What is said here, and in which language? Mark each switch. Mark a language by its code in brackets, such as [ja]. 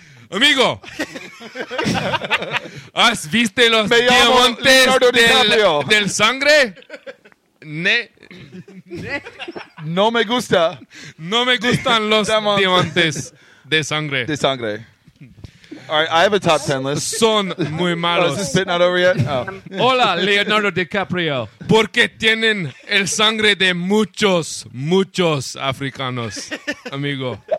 [es] Amigo, ¿has visto los diamantes del sangre? No me gusta. No me gustan los diamantes de sangre. De sangre. [en] All right, I have a top 10 list. [es] Son muy malos. [en] Oh, is this bit not over yet? Oh. [es] Hola, Leonardo DiCaprio. Porque tienen el sangre de muchos, muchos africanos, amigo.